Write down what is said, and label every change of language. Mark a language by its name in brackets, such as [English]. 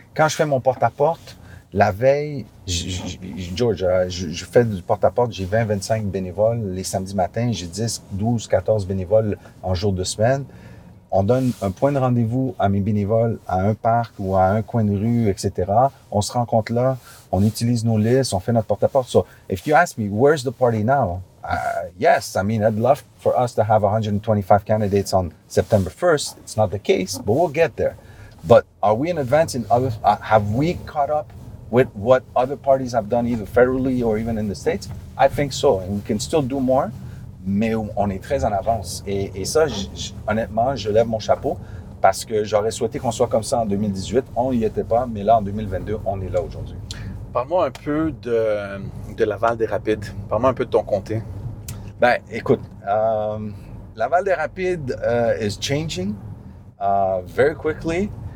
[French] Quand je fais mon porte-à-porte, la veille, je fais du porte-à-porte, j'ai 20-25 bénévoles. Les samedis matins, j'ai 10-12-14 bénévoles en jour de semaine. On donne un point de rendez-vous à mes bénévoles à un parc ou à un coin de rue, etc. On se rencontre là, on utilise nos listes, on fait notre porte-à-porte. [English] So, if you ask me, where's the party now? Yes, I mean, I'd love for us to have 125 candidates on September 1st. It's not the case, but we'll get there. But are we in advance in other... have we caught up with what other parties have done, either federally or even in the States? I think so, and we can still do more. [French] Mais on est très en avance. Et ça, honnêtement, je lève mon chapeau parce que j'aurais souhaité qu'on soit comme ça en 2018. On n'y était pas, mais là, en 2022, on est là aujourd'hui. Parle-moi un peu de Laval-des-Rapides. Parle-moi un peu de ton comté. Ben, écoute, [English] Laval-des-Rapides is changing very quickly.